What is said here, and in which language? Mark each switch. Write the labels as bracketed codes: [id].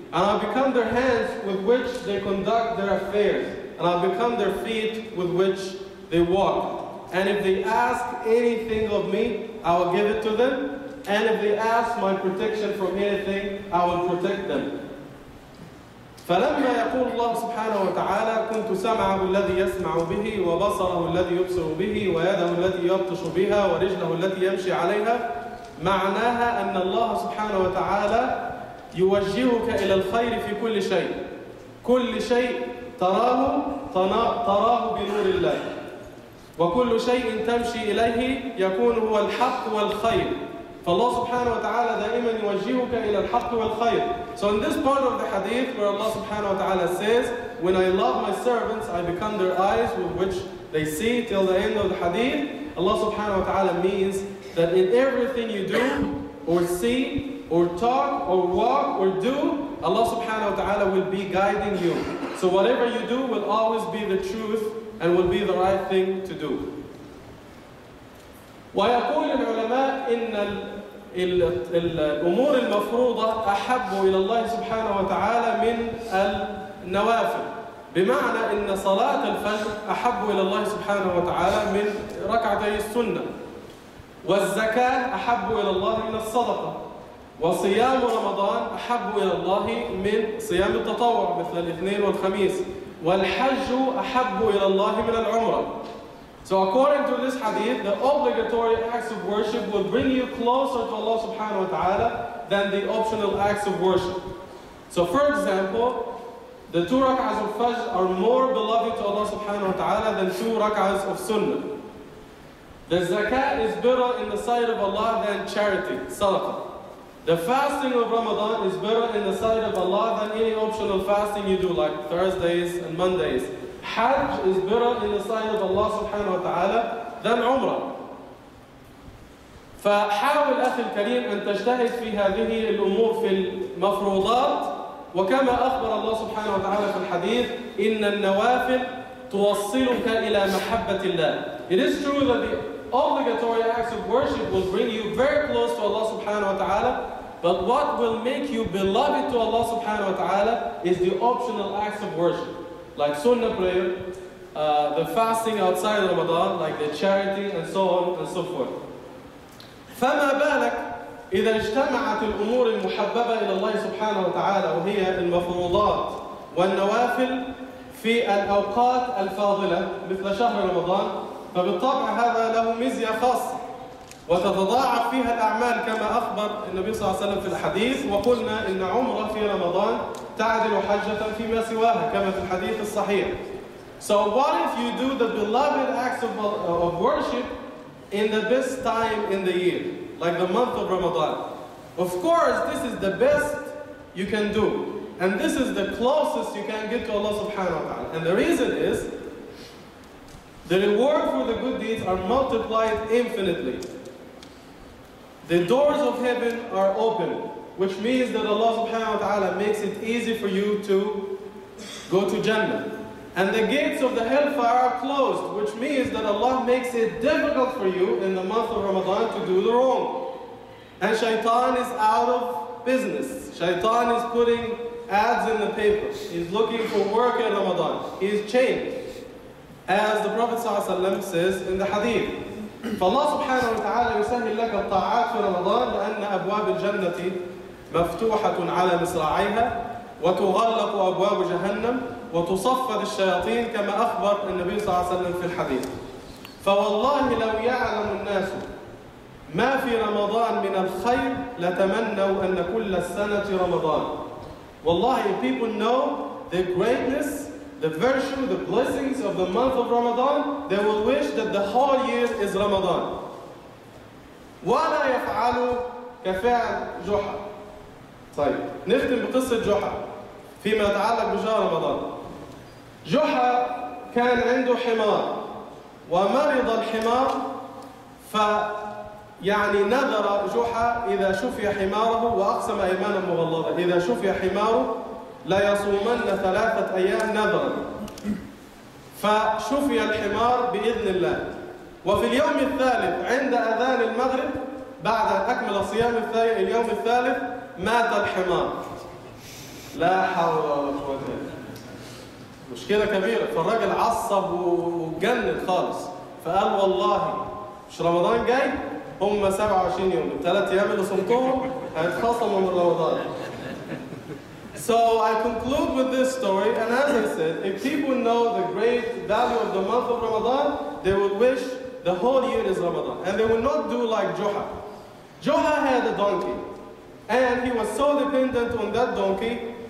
[en] And I become their hands with which they conduct their affairs. And I become their feet with which they walk. And if they ask anything of me, I will give it to them. And if they ask my protection from anything, I will protect them. [ar] فلما يقول الله سبحانه وتعالى كنت سمعه الذي يسمع به وبصره الذي يبصر به ويده التي يبطش بها ورجله التي يمشي عليها، معناها أن الله سبحانه وتعالى يوجهك إلى الخير في كل شيء، كل شيء تراه بنور الله، وكل شيء تمشي إليه يكون هو الحق والخير. فالله سبحانه وتعالى دائما يوجهك إلى الحق والخير. [en] So in this part of the hadith where Allah subhanahu wa ta'ala says, when I love my servants, I become their eyes with which they see till the end of the hadith, Allah subhanahu wa ta'ala means that in everything you do or see or talk or walk or do, Allah subhanahu wa ta'ala will be guiding you. So whatever you do will always be the truth and will be the right thing to do. [ar] ويقول العلماء إن الأمور المفروضة أحب إلى الله سبحانه وتعالى من النوافل، بمعنى إن صلاة الفجر أحب إلى الله سبحانه وتعالى من ركعتي السنة، والزكاة أحب إلى الله من الصدقة، وصيام رمضان أحب إلى الله من صيام التطوع مثل الاثنين والخميس، والحج أحب إلى الله من العمرة. [en] So according to this hadith, the obligatory acts of worship will bring you closer to Allah subhanahu wa ta'ala than the optional acts of worship. So for example, the two rak'ahs of fajr are more beloved to Allah subhanahu wa ta'ala than two rak'ahs of sunnah. The zakat is better in the sight of Allah than charity, sadaqah. The fasting of Ramadan is better in the sight of Allah than any optional fasting you do, like Thursdays and Mondays. Hajj is better in the sight of Allah subhanahu wa ta'ala than Umrah. [ar] فحاول أخي الكريم أن تجتهد في هذه الأمور في المفروضات وكما أخبر الله سبحانه وتعالى في الحديث إن النوافل توصلك إلى محبة الله. [en] It is true that the obligatory acts of worship will bring you very close to Allah subhanahu wa ta'ala, but what will make you beloved to Allah subhanahu wa ta'ala is the optional acts of worship, like sunnah prayer, the fasting outside Ramadan, like the charity and so on and so forth. [ar] فما بالك إذا اجتمعت الأمور المحببة إلى الله سبحانه وتعالى وهي المفروضات والنوافل في الأوقات الفاضلة مثل شهر رمضان فبالطبع هذا له ميزة خاصة وتتضاعف فيها الأعمال كما أخبر النبي صلى الله عليه وسلم في الحديث وقلنا إن عمرة في رمضان تعدل حجة فيما سواها كما في الحديث الصحيح. [en] So what if you do the beloved acts of worship in the best time in the year, like the month of Ramadan? Of course, this is the best you can do. And this is the closest you can get to Allah subhanahu wa ta'ala. And the reason is, the reward for the good deeds are multiplied infinitely. The doors of heaven are open, which means that Allah subhanahu wa ta'ala makes it easy for you to go to Jannah. And the gates of the hellfire are closed, which means that Allah makes it difficult for you in the month of Ramadan to do the wrong. And shaitan is out of business. Shaitan is putting ads in the paper. He's looking for work in Ramadan. He's chained. As the Prophet ﷺ says in the hadith, [ar] فَاللَّهُ سُبْحَانَهُ وَتَعَالَى يُسَهِلْ لَكَ الطَّاعَاتِ فِي رَمَضَانِ لَأَنَّ أَبْوَابِ الْجَنَّةِ مَفْتُوحَةٌ عَلَى مِصْرَعَيْهَا وَتُغَلَّقُ أَبْوَابُ جَهَنَّمِ وتصفد الشياطين كما أخبر النبي صلى الله عليه وسلم في الحديث. فوالله لو يعلم الناس ما في رمضان من الخير لتمنوا أن كل السنة رمضان. [en] والله, if people know the greatness, the virtue, the blessings of the month of Ramadan, they will wish that the whole year is Ramadan. [ar] ولا يفعل كفعل جحا. طيب, نختم بقصة جحا فيما يتعلق بشهر رمضان. جحا كان عنده حمار ومرض الحمار, فيعني نذر جحا إذا شفي حماره وأقسم أيمانا مغلظة إذا شفي حماره لا يصومن ثلاثة أيام نذرا. فشفي الحمار بإذن الله, وفي اليوم الثالث عند أذان المغرب بعد أن أكمل الصيام الثالث اليوم الثالث مات الحمار. لا حول ولا قوة إلا بالله. مشكلة كبيرة. فالرجل عصب وجنن خالص, فقال والله مش رمضان جاي, هم 27 يوم, الثلاث أيام اللي صمتهم هيتخصموا من رمضان. [en] So I conclude with this story, and as I said, if people know the great value of the month of Ramadan, they would wish the whole year is Ramadan, and they would not do like Juha. Juha had a donkey, and he was so dependent on that donkey.